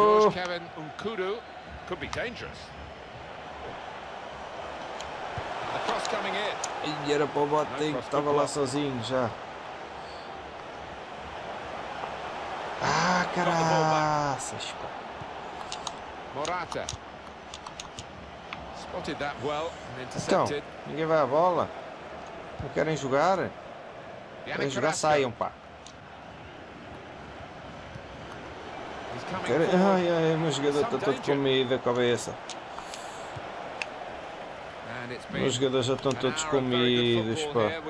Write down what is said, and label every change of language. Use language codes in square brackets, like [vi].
[en] George Kevin Nkudu could be dangerous. The cross coming in. [pt] E era para o Boateng, estava lá sozinho já. Ah, caraças. [en] Morata. Spotted that well and intercepted. [pt] Então, ninguém vai à bola. Não querem jogar. Vem jogar, saiam, pá. Quero... Ai, ai, o meu jogador está todo com medo da cabeça. Os meus jogadores já estão todos com medo, pá.